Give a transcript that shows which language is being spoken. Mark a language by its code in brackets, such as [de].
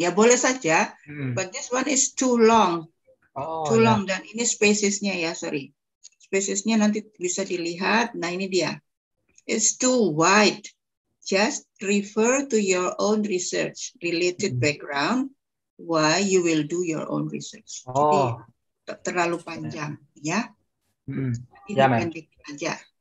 [id] Ya boleh saja, [en] but this one is too long. [id] Dan ini spaces-nya ya, sorry. Spaces-nya nanti bisa dilihat. Nah, ini dia. [en] It's too wide. Just refer to your own research related background why you will do your own research. [id] Jadi, terlalu panjang, ya. Pendek aja.